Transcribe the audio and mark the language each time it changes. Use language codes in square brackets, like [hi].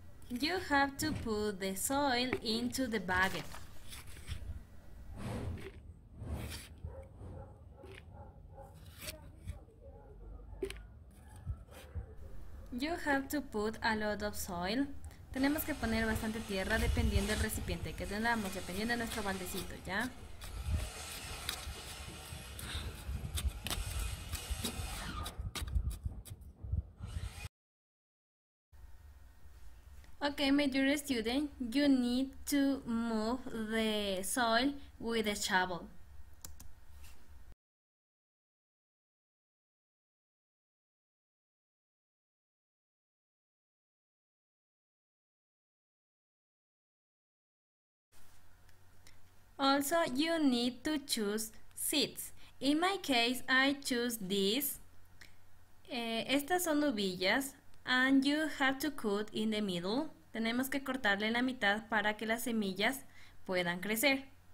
[en] You have to put the soil into the bucket. You have to put a lot of soil. [es] Tenemos que poner bastante tierra dependiendo del recipiente que tengamos, dependiendo de nuestro baldecito, ¿ya? [en] Okay, my dear student, you need to move the soil with a shovel. Also, you need to choose seeds. In my case, I choose these. [es] Estas son uvillas. [en] And you have to cut in the middle. [es] Tenemos que cortarle en la mitad para que las semillas puedan crecer.